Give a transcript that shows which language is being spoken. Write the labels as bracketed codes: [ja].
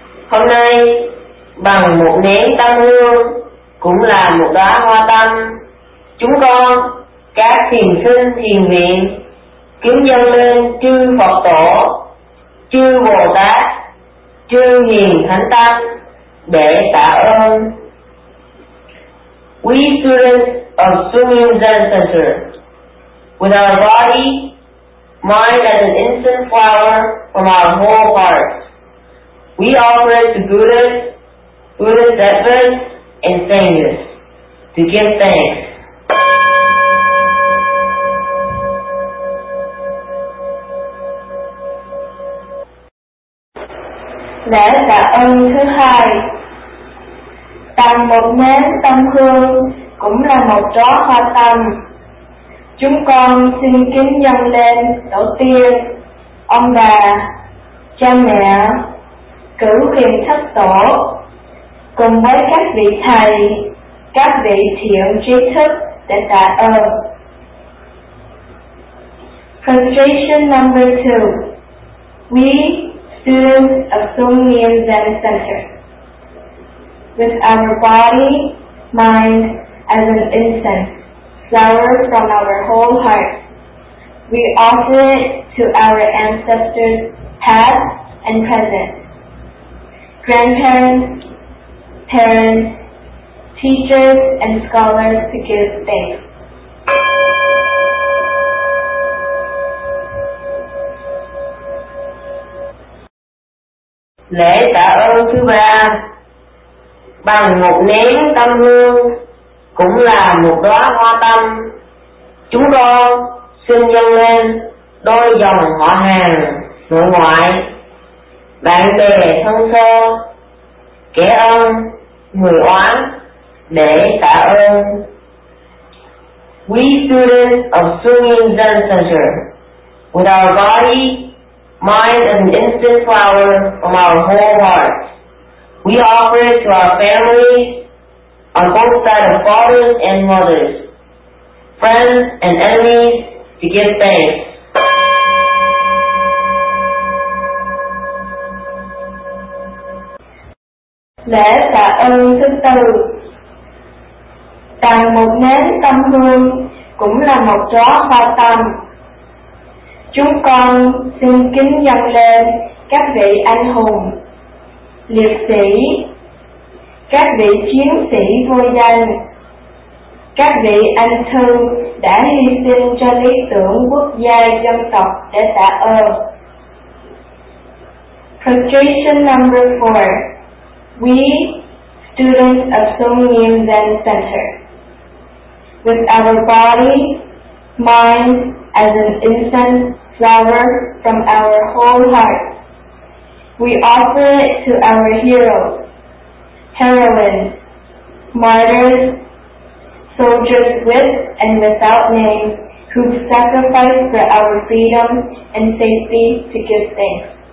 [vi] Hôm nay, bằng một nén tâm hương, cũng là một đóa hoa tâm, chúng con, các thiền sinh thiền viện, kính dâng lên chư Phật Tổ, chư Bồ Tát, chư Hiền Thánh Tăng để tạ ơn. [en] We students of Sumyum Zen Center, with our body, mind as an incense flower from our whole heart, we offer it to Buddhas, Bodhisattvas, and Sanghas to give thanks. [vi] Lễ tạ ơn thứ hai. Tặng một nén tâm hương cũng là một trò hoa tâm. Chúng con xin kính dâng lên tổ tiên, ông bà, cha mẹ, cửu hiền thất tổ, cùng với các vị thầy, các vị thiện trí thức để tạ ơn. [en] Translation number 2. We, students of Sumyum Zen Center, with our body, mind, as an incense flower from our whole heart, we offer it to our ancestors, past and present, grandparents, parents, teachers, and scholars to give thanks. [vi] Lễ tạ ơn thứ ba, bằng một nén tâm hương cũng là một đóa hoa tâm, chúng con xin dâng lên đôi dòng họ hàng nội ngoại, bạn bè thân xa, kẻ ơn người oán để tạ ơn. [en] We students of Sumyum Zen Center, with our body, mind and instant flower from our whole heart, we offer it to our families on both sides of fathers and mothers, friends and enemies to give thanks. [vi] Lễ tạ ơn thứ tư. Tặng một nén tâm hương cũng là một chó hoa tâm. Chúng con xin kính dâng lên các vị anh hùng, liệt sĩ, các vị chiến sĩ vô danh, các vị anh thư đã hy sinh cho lý tưởng quốc gia dân tộc để tạ ơn. [en] Projection number 4. We, students of Sumyum Zen Center, with our body, mind as an incense flower from our whole heart, we offer it to our heroes, heroines, martyrs, soldiers with and without name, who sacrificed for our freedom and safety to give thanks.